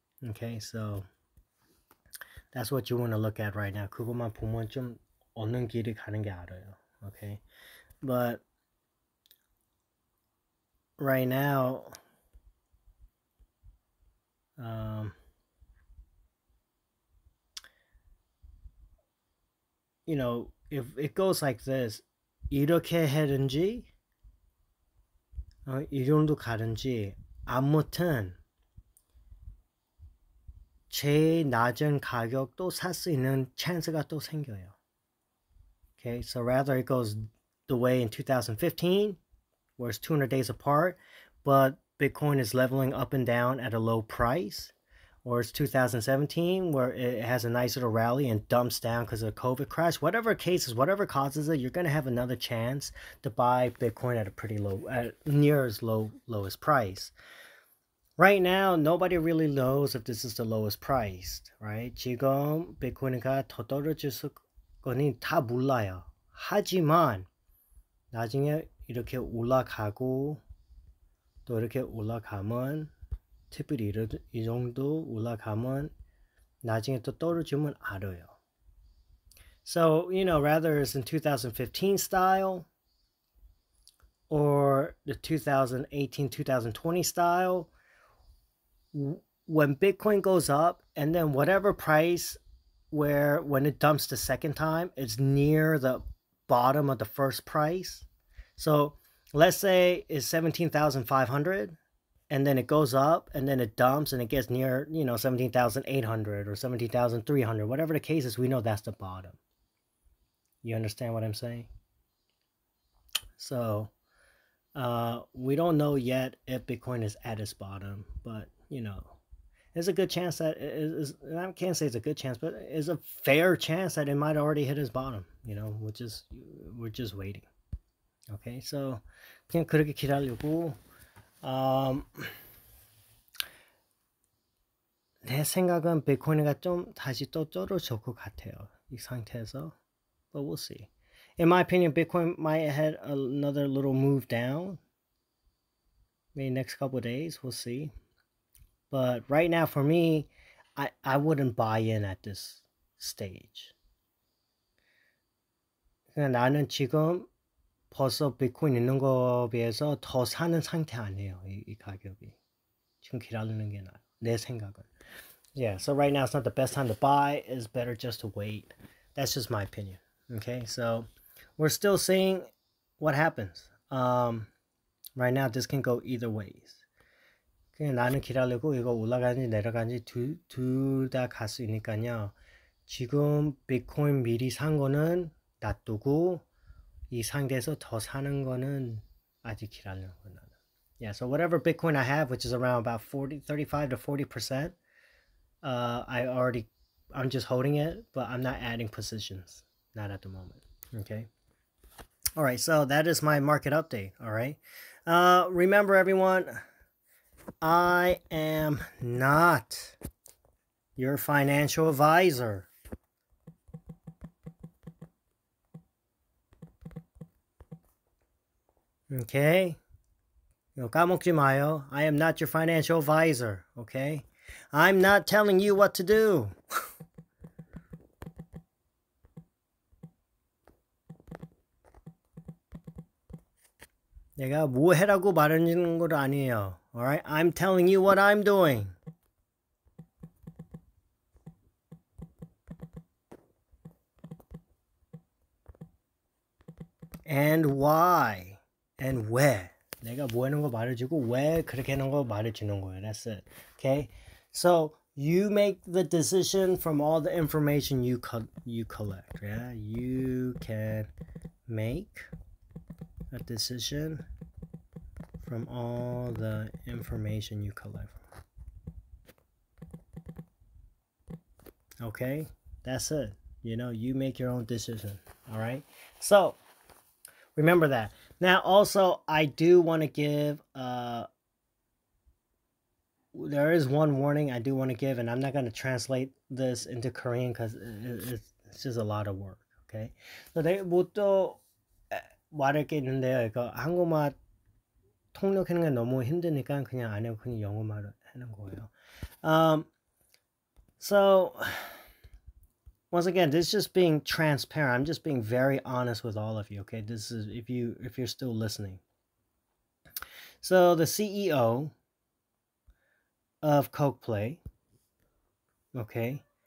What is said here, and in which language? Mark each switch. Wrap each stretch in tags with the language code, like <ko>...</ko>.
<en>Okay, so that's what you want to look at right now.</en> <ko>그것만 보면 좀 어느 길을 가는 게 알아요.</ko> <en>Okay, but right now, you know, if it goes like this,</en> <ko>이렇게 하든지, 이 정도 가든지, 아무튼 제일 낮은 가격도 살수 있는 찬스가 또 생겨요.</ko> <en>Okay, so rather it goes the way in 2015, where it's 200 days apart, but Bitcoin is leveling up and down at a low price. Or it's 2017, where it has a nice little rally and dumps down because of the COVID crash. Whatever cases, whatever causes it, you're going to have another chance to buy Bitcoin at a pretty low, at near as low, lowest price. Right now, nobody really knows if this is the lowest price, right?</en> <ko>지금 비트코인이 더 떨어질 거니 다 몰라요. 하지만 나중에 이렇게 올라가고 또 이렇게 올라가면 특별히 이 정도 올라가면 나중에 또 떨어지면 알아요.</ko> <en>So, you know, rather it's in 2015 style or the 2018, 2020 style. When Bitcoin goes up and then whatever price where when it dumps the second time, it's near the bottom of the first price. So let's say it's 17,500 and then it goes up and then it dumps and it gets near, you know, 17,800 or 17,300, whatever the case is, we know that's the bottom. You understand what I'm saying? So we don't know yet if Bitcoin is at its bottom, but you know, there's a good chance that is, and I can't say it's a good chance, but it's a fair chance that it might already hit its bottom, you know, we're just waiting.</en> <ko>Okay, so 그냥 그렇게 기다리고, 내 생각은 비트코인이가 좀 다시 또 떨어질 것 같아요, 이 상태에서.</ko> <en>But we'll see. In my opinion, Bitcoin might have another little move down. Maybe next couple of days, we'll see. But right now, for me, I wouldn't buy in at this stage.</en> <ko>그냥 나는 지금 벌써 비트코인 있는 거에 비해서 더 사는 상태 아니에요. 이 가격이 지금 기다리는 게 나아요. 내 생각은.</ko> <en>Yeah, so right now it's not the best time to buy. It's better just to wait. That's just my opinion. Okay, so we're still seeing what happens. Right now, this can go either ways.</en> <ko>그냥 나는 기다리고 이거 올라가는지 내려가는지 둘다갈수 있으니까요. 지금 비트코인 미리 산 거는 놔두고 이 상태에서 더 사는 거는 아직 기다리는 거는.</ko> <en>Yeah, so whatever Bitcoin I have, which is around about 40, 35 to 40%, I'm just holding it, but I'm not adding positions, not at the moment. Okay. All right, so that is my market update. All right. Remember everyone, I am not your financial advisor. Okay?</en> <ko>이거 까먹지 마요.</ko> <en>I am not your financial advisor. Okay? I'm not telling you what to do.</en> <ko>내가 뭐 해라고 말하는 건 아니에요.</ko> <en>All right, I'm telling you what I'm doing. And why? And where?</en> <ko>내가 뭐 하는 거 말해주고 왜 그렇게 하는 거 말해주는 거야.</ko> <en>That's it. Okay? So you make the decision from all the information you collect. Yeah, you can make a decision from all the information you collect. Okay, that's it. You know, you make your own decision. All right. So remember that. Now, also, I do want to give there is one warning I do want to give, and I'm not going to translate this into Korean because it's just a lot of work.</en> <ko>Okay, so 내일부터 말할 게 있는데요. 이거 한국말 통역하는 게 너무 힘드니까 그냥 안 하고 그냥 영어말을 하는 거예요.</ko> <en>So once again, this is just being transparent. I'm just being very honest with all of you. Okay, this is if you're still listening. So the CEO of Coke Play, okay.</en>